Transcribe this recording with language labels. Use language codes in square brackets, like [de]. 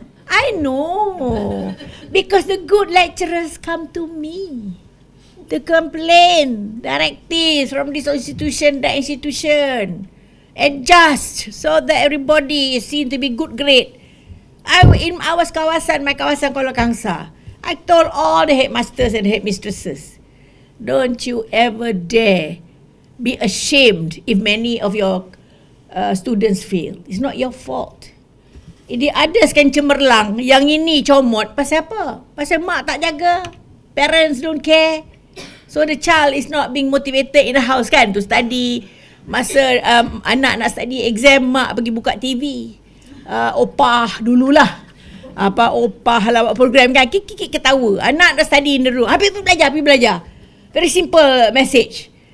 [en] I know, because the good lecturers come to me to complain, directives from this institution, that institution, adjust so that everybody is seen to be good grade. In my kawasan, Kuala Kangsa, I told all the headmasters and headmistresses, don't you ever dare be ashamed if many of your students fail. It's not your fault. [ms] Ini ada sekian cemerlang, yang ini comot, pasal apa? Pasal mak tak jaga, [en] parents don't care. So the child is not being motivated in the house kan to study. [ms] Masa anak nak study exam, mak pergi buka TV. Opah dululah. Apa opah lah buat program kan, kikik-kikik ketawa. Anak dah [en] study in the room, [ms] habis tu belajar, habis belajar. [en] Very simple message.